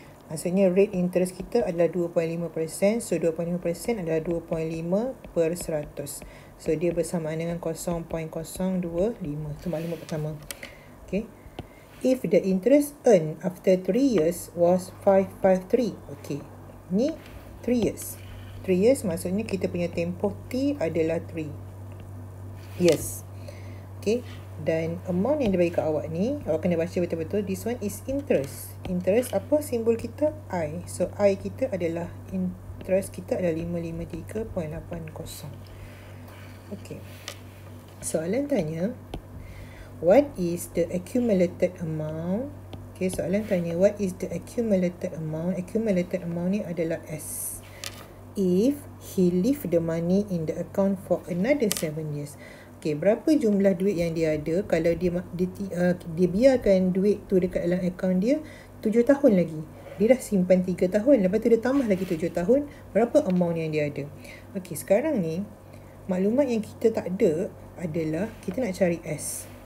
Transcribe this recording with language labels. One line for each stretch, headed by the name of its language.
Malay: Maksudnya rate interest kita adalah 2.5%. So 2.5% adalah 2.5 per 100. So dia bersamaan dengan 0.025. Itu maklumat pertama.
English: Okay, if the interest earned after 3 years was 553.
Malay: Okay, ni 3 years. 3 years maksudnya kita punya tempoh T adalah 3 years. Okay, dan amount yang dia bagi kat awak ni, awak kena baca betul-betul.
English: This one is interest. Interest
Malay: apa? Simbol kita I. So I kita adalah interest kita adalah 553.80.
English: Okay,
Malay: soalan tanya,
English: what is the accumulated amount? Okay,
Malay: soalan tanya,
English: what is the accumulated amount?
Malay: Accumulated amount ni adalah S.
English: If he leave the money in the account for another 7 years.
Malay: Okay, berapa jumlah duit yang dia ada kalau dia biarkan duit tu dekat dalam account dia 7 tahun lagi. Dia dah simpan 3 tahun, lepas tu dia tambah lagi 7 tahun, berapa amount yang dia ada? Okay, sekarang ni, maklumat yang kita tak ada adalah kita nak cari S.